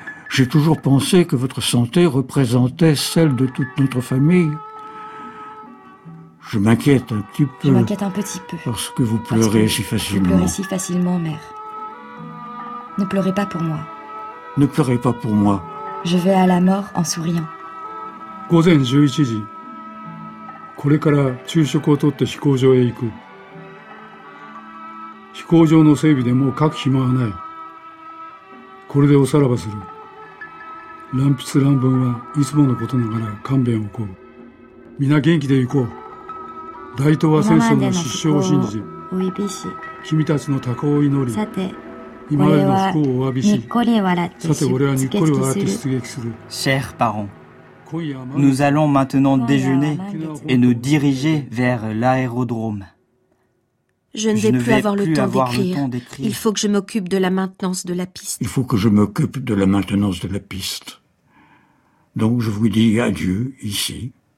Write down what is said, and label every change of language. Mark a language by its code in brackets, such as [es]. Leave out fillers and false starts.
[fr] J'ai toujours pensé que votre santé représentait celle de toute notre famille. Je m'inquiète un petit peu. Je m'inquiète un petit peu. Parce que vous pleurez si facilement. Vous pleurez si facilement, mère. Ne pleurez pas pour moi. Ne pleurez pas pour moi. Je vais à la mort en souriant. [ja] 午前11時、これから昼食をとって飛行場へ行く。飛行場の整備でもう書く暇はない。これでおさらばする。乱筆乱文はいつものことながら勘弁を請う。みんな元気で行こう。大東亜戦争の失笑を信じ、君たちの多幸を祈り、今までの不幸をお詫びし、さて俺はにっこり笑って出撃する。 [fr] Chers parents. Nous allons maintenant déjeuner et nous diriger vers l'aérodrome. Je ne vais plus avoir le temps d'écrire. Il faut que je m'occupe de la maintenance de la piste. Il faut que je m'occupe de la maintenance de la piste. Donc je vous dis adieu ici.